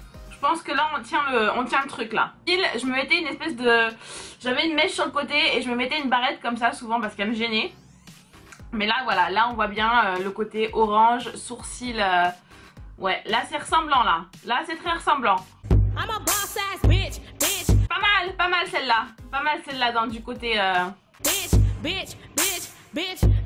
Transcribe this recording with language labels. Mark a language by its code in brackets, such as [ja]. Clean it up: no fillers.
[fr] Je pense que là on tient le truc là. Je me mettais une espèce de... J'avais une mèche sur le côté et je me mettais une barrette comme ça souvent parce qu'elle me gênait. Mais là voilà, là on voit bien le côté orange, sourcil. Ouais, là c'est ressemblant là. Là c'est très ressemblant. [en] I'm a boss ass bitch, bitch. [fr] Pas mal celle-là. Pas mal celle-là dans du côté... [en] bitch, bitch, bitch, bitch.